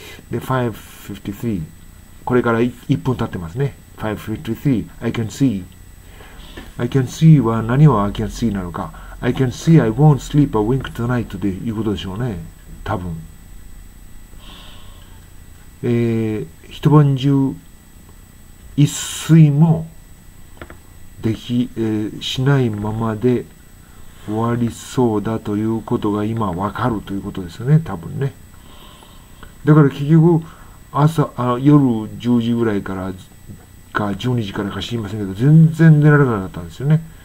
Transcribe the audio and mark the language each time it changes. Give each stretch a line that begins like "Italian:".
Japanese: で、5:53、これから1分経ってますね。 5:53
English: I can see は何を I can see なのか、 I can see I won't sleep a wink tonight
Japanese: でいうことでしょうね、多分。一晩中一睡もできしないままで終わりそうだということが今わかるということですよね、多分ね。だから結局朝あ夜10時ぐらいからか12時からか知りませんけど全然寝られなかったんですよね。